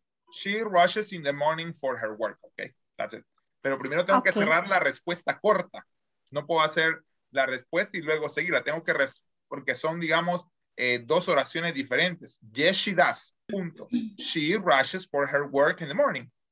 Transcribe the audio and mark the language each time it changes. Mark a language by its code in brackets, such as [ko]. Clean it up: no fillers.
[en] She rushes in the morning for her work. Okay, that's it. [es] Pero primero tengo okay. que cerrar la respuesta corta. No puedo hacer la respuesta y luego seguirla. Tengo que porque son, digamos, dos oraciones diferentes. [en] Yes, she does. Punto. She rushes for her work in the morning.